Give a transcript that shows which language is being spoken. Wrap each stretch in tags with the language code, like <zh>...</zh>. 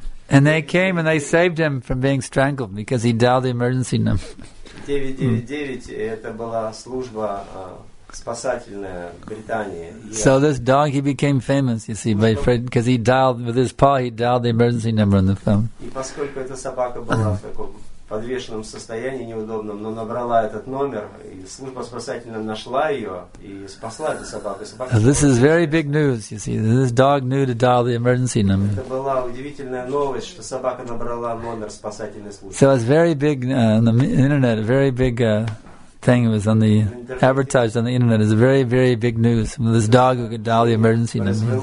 <en>And they came and they saved him from being strangled because he dialed the emergency number.</en> <ru>999 это была служба спасательная Британия.</ru> <en>So this donkey became famous, you see, by Fred, because he dialed with his paw, he dialed the emergency number on the phone.</en> <ru>И поскольку эта собака была в таком подвешенном состоянии неудобном, но набрала этот номер, и служба спасательная нашла ее и спасла эту собаку.</ru> <en>This is very big news, you see. This dog knew to dial the emergency number.</en> <ru>Это была удивительная новость, что собака набрала номер спасательной службы.</ru> <en>So it's very big on the internet, very big thing was on the advertised on the internet is very, very big news. This dog who could dial the emergency number.</en>